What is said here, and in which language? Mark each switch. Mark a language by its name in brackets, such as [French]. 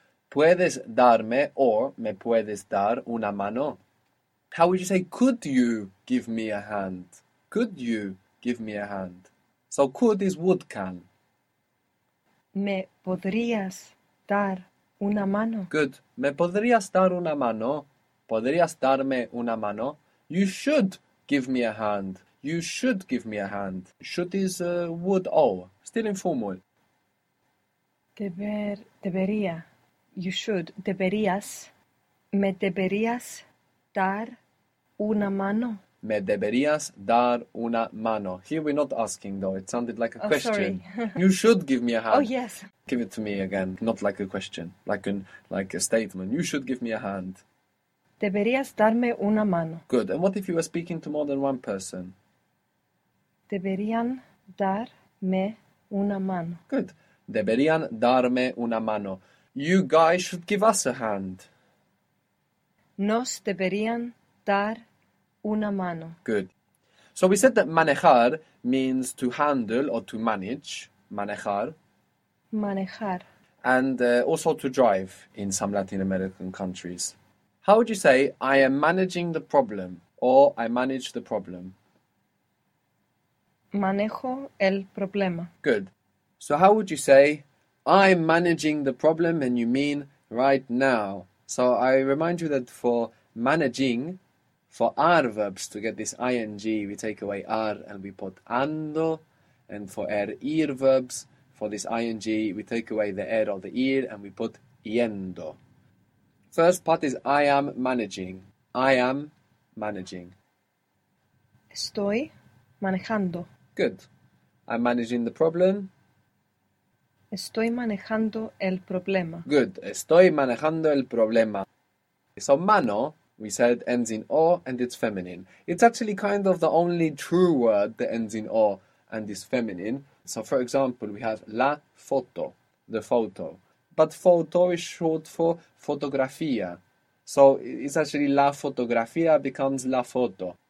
[Spanish] ¿Puedes darme or me puedes dar una mano? [English] How would you say, could you give me a hand? Could you give me a hand? So could is would can. [Spanish] ¿Me podrías dar una mano? Good. ¿Me podrías dar una mano? ¿Podrías darme una mano? [English] You should give me a hand. You should give me a hand. Should is would or. Still informal. [Spanish] Debería. [English] You should. [Spanish] Deberías. ¿Me deberías dar una mano? ¿Me deberías dar una mano? [English] Here we're not asking, though. It sounded like a question. Sorry. You should give me a hand. Oh, yes. Give it to me again. Not like a question. Like a statement. You should give me a hand. [Spanish] Deberías darme una mano. [English] Good. And what if you were speaking to more than one person? [Spanish] Deberían darme una mano. [English] Good. [Spanish] Deberían darme una mano. [English] You guys should give us a hand. [Spanish] Nos deberían dar una mano. [English] Good. So we said that manejar means to handle or to manage. [Spanish] Manejar. Manejar. [English] And also to drive in some Latin American countries. How would you say, I am managing the problem or I manage the problem? [Spanish] Manejo el problema. [English] Good. So how would you say, I'm managing the problem and you mean right now? So I remind you that for managing, for ar verbs to get this ing, we take away ar and we put ando. And for ir verbs, for this ing, we take away the er or the ir and we put yendo. First part is I am managing. I am managing. [Spanish] Estoy manejando. [English] Good. I'm managing the problem. [Spanish] Estoy manejando el problema. [English] Good. [Spanish] Estoy manejando el problema. [English] So mano, we said, ends in O and it's feminine. It's actually kind of the only true word that ends in O and is feminine. So for example, we have la foto, the photo. But foto is short for fotografía. So it's actually la fotografía becomes la foto.